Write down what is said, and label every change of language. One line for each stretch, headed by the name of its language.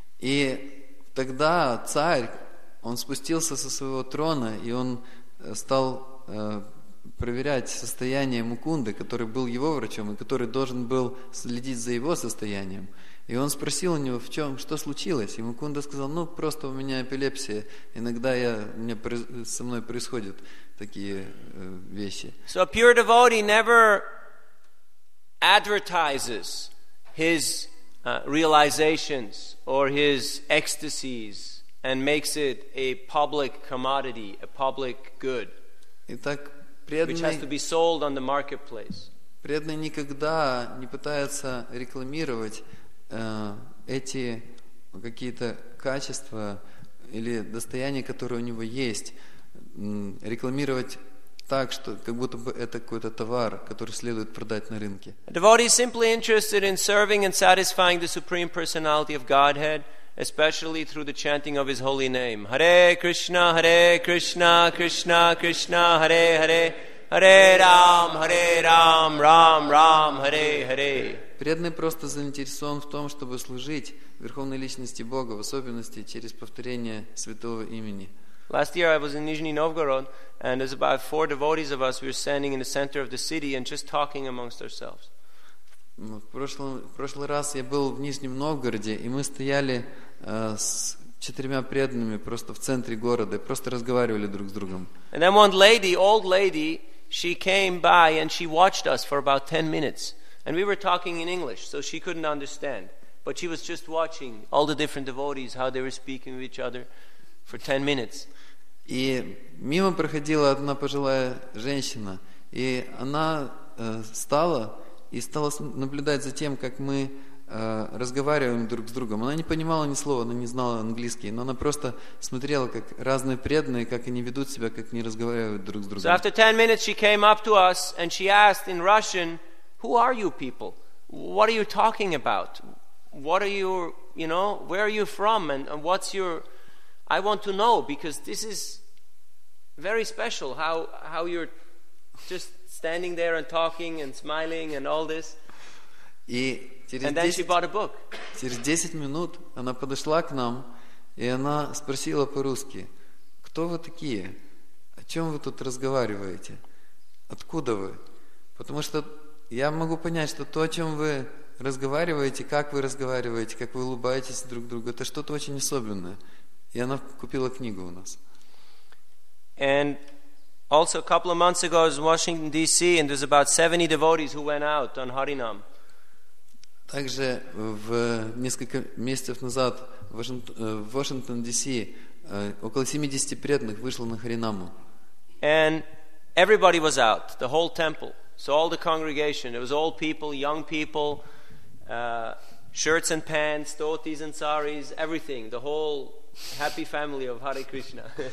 Russian: И тогда царь, он спустился со своего трона, и он стал проверять состояние Мукунды, который был его врачом, и который должен был следить за его состоянием. И он спросил у него, в чем, что случилось. И Мукунда сказал, ну, просто у меня эпилепсия. Иногда со мной происходят такие вещи.
English: So a pure devotee never advertises his realizations or his ecstasies and makes it a public commodity, a public good.
Russian: Итак, преданный...
English: Which has to be sold on the marketplace.
Russian: Преданный никогда не пытается рекламировать эти какие-то качества или достояния, которые у него есть, рекламировать так, что как будто бы это какой-то товар, который следует продать на рынке.
English: A devotee is simply interested in serving and satisfying the Supreme Personality of Godhead, especially through the chanting of His holy name.
Sanskrit: Hare Krishna, Hare Krishna, Krishna Krishna, Hare Hare, Hare Ram, Hare Ram, Ram Ram, Hare Hare.
Russian: Преданный просто заинтересован в том, чтобы служить Верховной Личности Бога, в особенности через повторение Святого Имени.
English: Last year I was in Nizhny Novgorod, and there's about four devotees of us, we were standing in the center of the city and just talking amongst ourselves.
Russian: В прошлый раз я был в Нижнем Новгороде, и мы стояли с четырьмя преданными просто в центре города, и просто разговаривали друг с другом.
English: And then one lady, old lady, she came by and she watched us for about 10 minutes. And we were talking in English, so she couldn't understand. But she was just watching all the different devotees, how they were speaking with each other for 10 minutes.
Russian: И мимо проходила одна пожилая женщина, и она стала наблюдать за тем, как мы разговариваем друг с другом. Она не понимала ни слова, она не знала английский, но она просто смотрела, как разные преданные, как они ведут себя, как они разговаривают друг с другом.
English: So after 10 minutes she came up to us and she asked in Russian, who are you people? What are you talking about? What are you, you know, where are you from? And what's your, I want to know, because this is very special, how you're just standing there and talking and smiling and all this. And then she bought a book.
Russian: Через 10 минут она подошла к нам, и она спросила по-русски, кто вы такие? О чем вы тут разговариваете? Откуда вы? Потому что я могу понять, что то, о чем вы разговариваете, как вы разговариваете, как вы улыбаетесь друг другу, это что-то очень особенное. И она купила книгу у нас.
English: And also a couple of months ago I was in Washington D.C. and there's about 70 devotees who went out on Harinam.
Russian: Также в несколько месяцев назад в Вашингтон Д.С. около 70 преданных вышло на Харинаму.
English: And everybody was out, the whole temple. So all the congregation, it was old people, young people, shirts and pants, dhotis and saris, everything, the whole happy family of Hare Krishna.